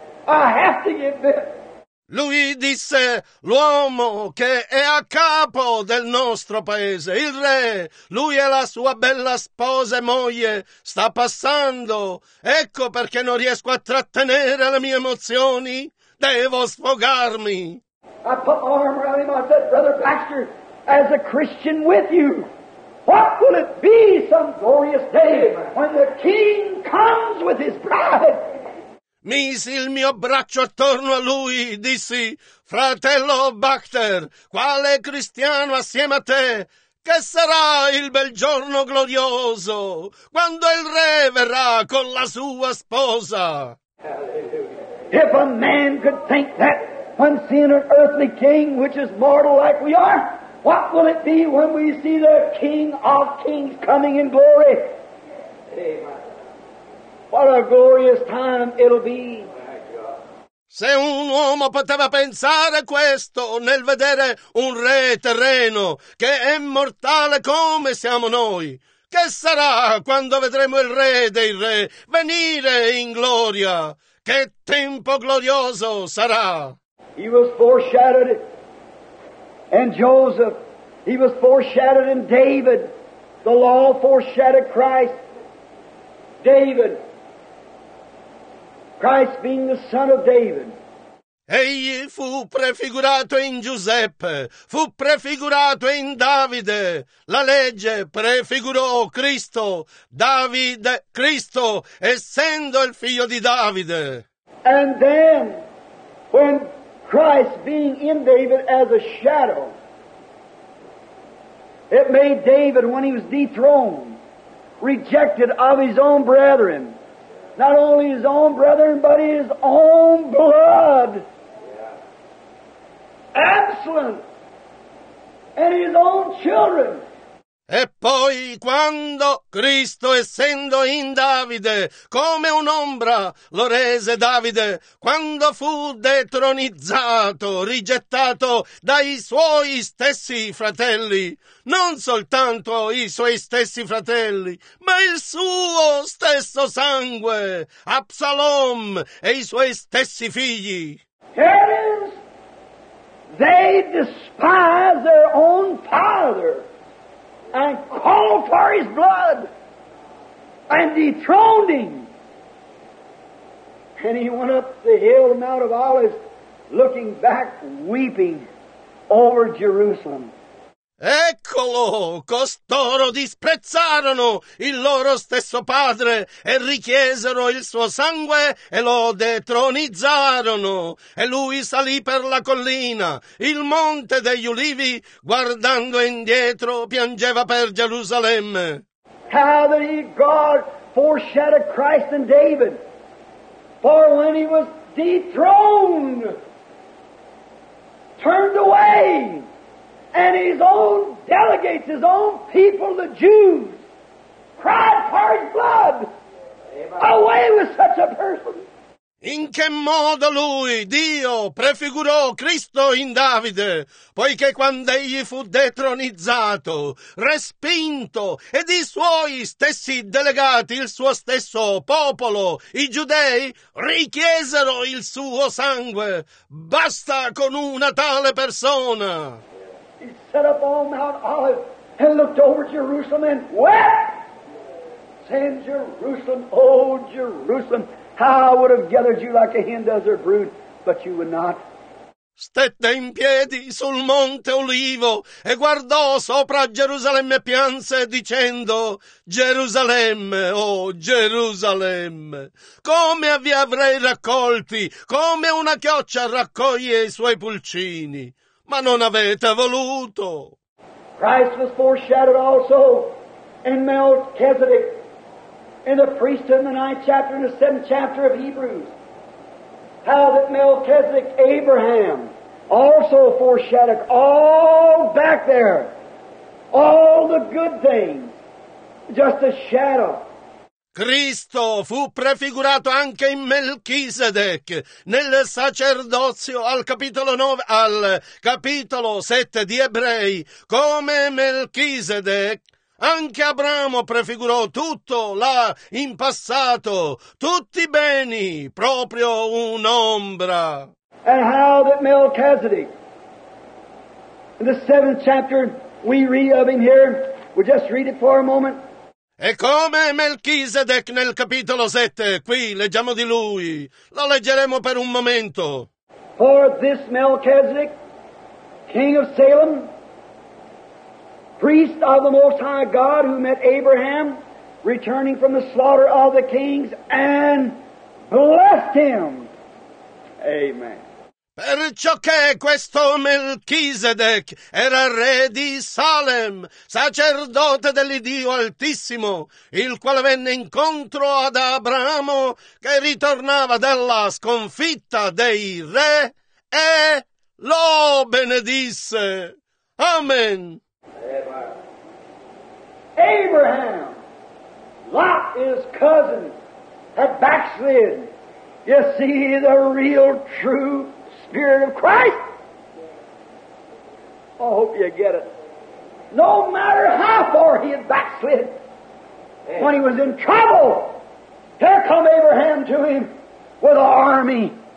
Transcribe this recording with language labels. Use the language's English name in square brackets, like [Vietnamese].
[English] I have to get there. [Italian] Lui disse, l'uomo che è a capo del nostro paese, il re, lui e la sua bella sposa e moglie, sta passando. Ecco perché non riesco a trattenere le mie emozioni. Devo sfogarmi. [English] I put my arm around him. I said, Brother Baxter, as a Christian with you, what will it be some glorious day when the king comes with his bride? [Italian] Misi il mio braccio attorno a lui, dissi, fratello Bachter, quale cristiano assieme a te, che sarà il bel giorno glorioso, quando il re verrà con la sua sposa. [English] Hallelujah. If a man could think that, when seeing an earthly king, which is mortal like we are, what will it be when we see the king of kings coming in glory? Amen. What a glorious time it'll be. [Italian] Se un uomo poteva pensare questo nel vedere un re terreno che è mortale come siamo noi, che sarà quando vedremo il re dei re venire in gloria? Che tempo glorioso sarà! [English] He was foreshadowed in Joseph. He was foreshadowed in David. The law foreshadowed Christ. David. Christ being the son of David. [Italian] Egli fu prefigurato in Giuseppe, fu prefigurato in Davide. La legge prefigurò Cristo, Davide Cristo, essendo il figlio di Davide. [English] And then, when Christ being in David as a shadow, it made David, when he was dethroned, rejected of his own brethren. Not only his own brethren, but his own blood. Absalom and his own children. [Italian] E poi, quando Cristo, essendo in Davide, come un'ombra lo rese Davide, quando fu detronizzato, rigettato dai suoi stessi fratelli, non soltanto i suoi stessi fratelli, ma il suo stesso sangue, Absalom e i suoi stessi figli. [English] Parents, they despise their own father. And called for his blood and dethroned him. And he went up the hill, the Mount of Olives, looking back, weeping over Jerusalem. [Italian] Ecco. eccolo! Costoro disprezzarono il loro stesso padre e richiesero il suo sangue e lo detronizzarono. E lui salì per la collina, il monte degli ulivi, guardando indietro, piangeva per Gerusalemme. [English] How did God foreshadow Christ and David? For when he was dethroned, turned away, and his own delegates, his own people, the Jews, cried for his blood. Away with such a person! [Italian] In che modo lui, Dio, prefigurò Cristo in Davide, poiché quando egli fu detronizzato, respinto, ed i suoi stessi delegati, il suo stesso popolo, i giudei, richiesero il suo sangue. Basta con una tale persona! [English] He sat up on Mount Olive and looked over Jerusalem and wept, saying, Jerusalem, oh Jerusalem, how I would have gathered you like a hen does her brood, but you would not. [Italian] Stette in piedi sul monte Olivo e guardò sopra Gerusalemme e pianse dicendo, Gerusalemme, oh Gerusalemme, come vi avrei raccolti, come una chioccia raccoglie i suoi pulcini, ma non avete voluto. [English] Christ was foreshadowed also in Melchizedek, in the priesthood in the 9th chapter and the 7th chapter of Hebrews, how that Melchizedek, Abraham, also foreshadowed all back there, all the good things, just a shadow. [Italian] Cristo fu prefigurato anche in Melchisedec, nel sacerdozio al capitolo 9, al capitolo 7 di Ebrei, come Melchisedec. Anche Abramo prefigurò tutto là in passato, tutti i beni, proprio un'ombra. [English] And how that Melchizedek, in the 7th chapter, we read of him here, we'll just read it for a moment. [Italian] E come Melchizedek nel capitolo 7, qui leggiamo di lui, lo leggeremo per un momento. [English] For this Melchizedek, king of Salem, priest of the Most High God who met Abraham returning from the slaughter of the kings and blessed him. Amen. [Italian] Perciò che questo Melchisedec era re di Salem, sacerdote dell'Iddio Altissimo, il quale venne incontro ad Abramo che ritornava dalla sconfitta dei re e lo benedisse. Amen. [English] Abraham, Lot, his cousin, had backslid. You see, the real, true spirit of Christ. I hope you get it. No matter how far he had backslid, when he was in trouble, here come Abraham to him with an army.